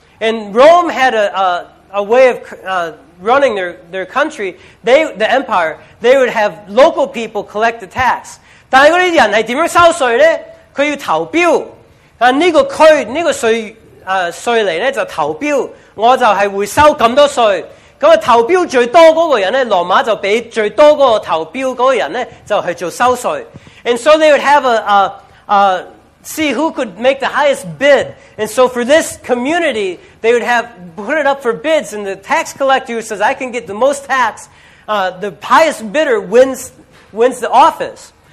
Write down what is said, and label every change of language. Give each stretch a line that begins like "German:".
English: And Rome had a way of running their country, the empire, they would have local people collect the tax.
Chinese: 但是那些人是怎樣收稅呢?他要投標。這個區,這個稅吏就投標,我就是會收這麼多稅。那投標最多的那個人,羅馬就給最多的投標的那個人就去做收稅。
English: And so they would have see who could make the highest bid. And so for this community, they would have put it up for bids, and the tax collector who says, I can get the most tax, the highest bidder wins the office.